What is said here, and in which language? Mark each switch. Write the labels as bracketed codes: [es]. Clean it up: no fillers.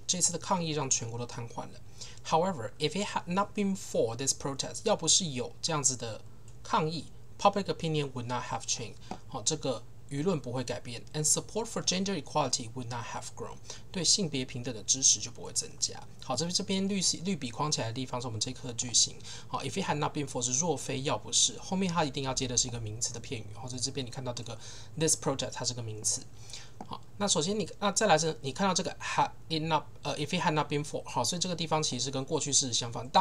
[zh] 这次的抗议让全国都瘫痪了。 [en] However, if it had not been for this protest, [zh] 要不是有这样子的抗议， [en] public opinion would not have changed. [zh] 好，这个舆论不会改变。 [en] And support for gender equality would not have grown. [zh] 对性别平等的支持就不会增加。好，这边绿笔框起来的地方是我们这课的句型。好 ， [en] if it had not been for [zh] 是若非要不是，后面它一定要接的是一个名词的片语。好，所以这边你看到这个 [en] this protest [zh] 它是个名词。好，那首先那再来是你看到这个 [en] had it not if it had not been for [zh] 好，所以这个地方其实跟过去式相反。